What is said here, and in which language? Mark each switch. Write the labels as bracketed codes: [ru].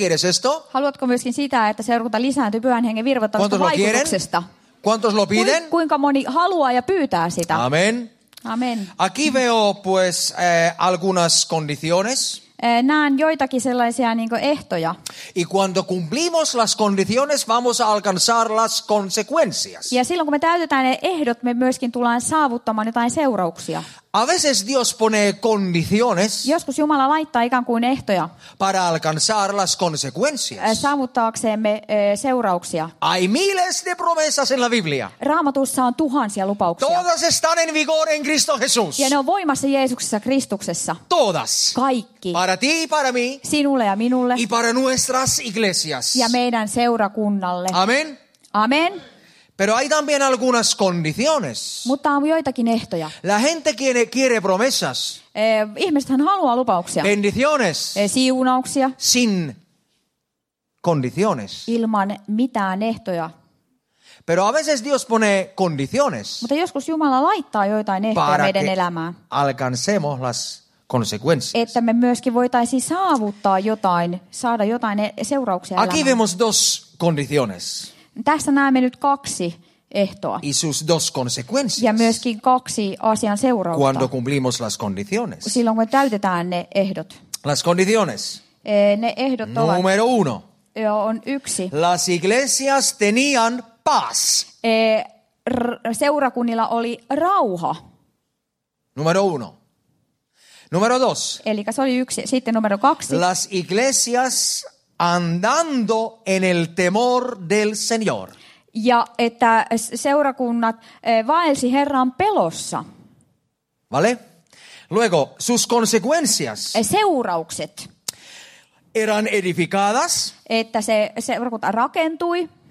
[es] ¿Quieres esto? [fi] Haluatko myöskin sitä, että seurakunta lisääntyy Pyhän Hengen virvoittavasta vaikutuksesta? [es] ¿Cuántos lo piden? [fi] Kuinka moni haluaa ja pyytää sitä? [es] Amén. Amén. Aquí veo pues algunas condiciones. [fi] Näen joitakin sellaisia niinku ehtoja. [es] Y cuando cumplimos las condiciones vamos a alcanzar las consecuencias. [fi] Ja silloin kun me täytetään ne ehdot, me myöskin tullaan saavuttamaan jotain seurauksia. [es] A veces Dios pone condiciones. [fi] Joskus Jumala laittaa ikään kuin ehtoja. [es] Para alcanzar las consecuencias. [fi] Saavuttaaksemme seurauksia. [es] Hay miles de promesas en la Biblia. [fi] Raamatussa on tuhansia lupauksia. [es] Todas están en vigor en Cristo Jesús. [fi] Ja ne on voimassa Jeesuksessa Kristuksessa. [es] Todas. [fi] Kaikki. [es] Para ti y para mí. [fi] Sinulle ja minulle. [es] Y para nuestras iglesias. [fi] Ja meidän seurakunnalle. [es] Amén. Amén. Pero hay también algunas condiciones. [fi] Mutta on joitakin ehtoja. [es] La gente quiere promesas. [fi] Ihmisethän haluaa lupauksia. [es] Bendiciones. [fi] Siunauksia. [es] Sin condiciones. [fi] Ilman mitään ehtoja. [es] Pero a veces Dios pone condiciones. [fi] Mutta joskus Jumala laittaa joitain ehtoja meidän elämään. [es] Para que alcancemos las consecuencias. [fi] Että me myöskin voitaisiin saavuttaa jotain, saada jotain seurauksia elämään. [es] Aquí vemos dos condiciones. [fi] Tässä näemme nyt kaksi ehtoa. [es] Y sus dos consecuencias. [fi] Ja myöskin kaksi asian seurausta. [es] Cuando cumplimos las condiciones. [fi] Silloin kun täytetään ne ehdot. [es] Las condiciones. [fi] Ne ehdot ovat. [es] Numero uno. [fi] On yksi. [es] Las iglesias tenían paz. [fi] Seurakunnilla oli rauha. [es] Numero uno. Numero dos. [fi] Eli se oli yksi. Sitten numero kaksi. [es] Las iglesias andando en el temor del Señor. [fi] Ja että seurakunnat vaelsi Herran pelossa. [es] Vale? Luego sus consecuencias. [fi] Seuraukset. [es] Eran edificadas. [fi] Että se seurakunta rakentui.